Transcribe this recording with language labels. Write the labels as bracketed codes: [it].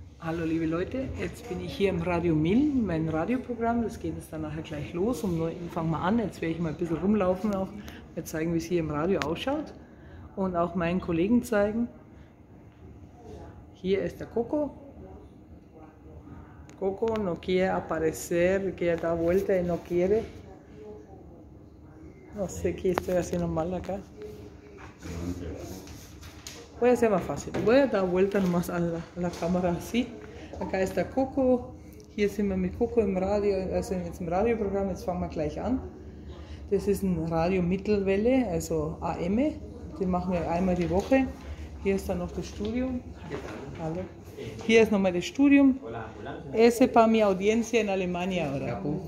[de] Hallo liebe Leute, jetzt bin ich hier im Radio Mil, mein Radioprogramm. Das geht jetzt dann nachher gleich los. Um 9 Uhr fangen wir an. Jetzt werde ich mal ein bisschen rumlaufen auch. Mal zeigen, wie es hier im Radio ausschaut. Und auch meinen Kollegen zeigen. Hier ist der Coco. [es] Coco no quiere aparecer, que da vuelta y no quiere. No sé qué estoy haciendo mal acá. Voy a hacer más fácil. Voy a dar vuelta nomás a la cámara así. Acá está Coco. [de] Hier sind wir mit Coco im Radio, also jetzt im Radioprogramm. Jetzt fangen wir gleich an. Das ist ein Radio Mittelwelle, also AM. Den machen wir einmal die Woche. Hier ist dann noch das Studium. Hallo. Hier ist nochmal das Studium. [es] Ese para mi audiencia en Alemania ahora.